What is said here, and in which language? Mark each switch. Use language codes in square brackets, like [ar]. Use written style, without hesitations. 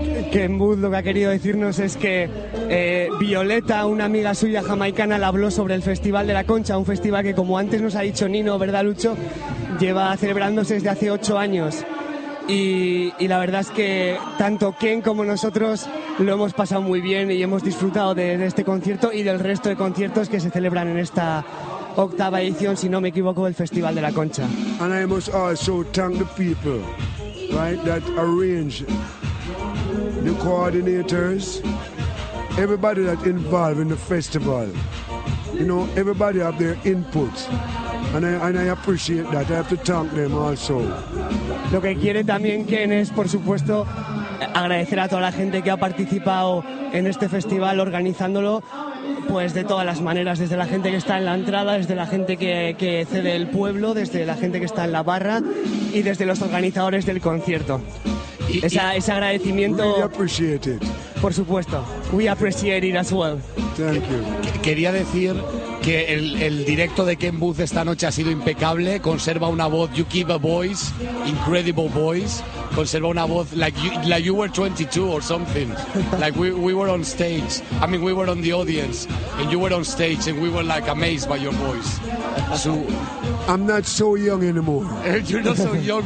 [es] Ken Booth lo que ha querido decirnos es que Violeta, una amiga suya jamaicana, le habló sobre el Festival de la Concha, un festival que, como antes nos ha dicho Nino, ¿verdad, Lucho?, lleva celebrándose desde hace 8 años. Y la verdad es que tanto Ken como nosotros lo hemos pasado muy bien y hemos disfrutado de este concierto y del resto de conciertos que se celebran en esta 8ª edición, si no me equivoco, del Festival de la Concha. [en] And I must also thank the people, right, that arrange, the coordinators, everybody that involved in the festival. You know, everybody have their input. And I appreciate that. I have to thank them also. [es] Lo que quiere también Ken es, por supuesto, agradecer a toda la gente que ha participado en este festival organizándolo, pues de todas las maneras, desde la gente que está en la entrada, desde la gente que cede el pueblo, desde la gente que está en la barra y desde los organizadores del concierto. Ese agradecimiento. [en] Really appreciate it. [es] Por supuesto. [en] We appreciate it as well. Thank you. [es] Quería decir que el directo de Ken Booth esta noche ha sido impecable. Conserva una voz, [en] you keep a voice, incredible voice. [es] Conserva una voz [en] like you were 22 or something. Like we were on stage. I mean, we were on the audience and you were on stage and we were like amazed by your voice. I'm not so young anymore. You're not so young,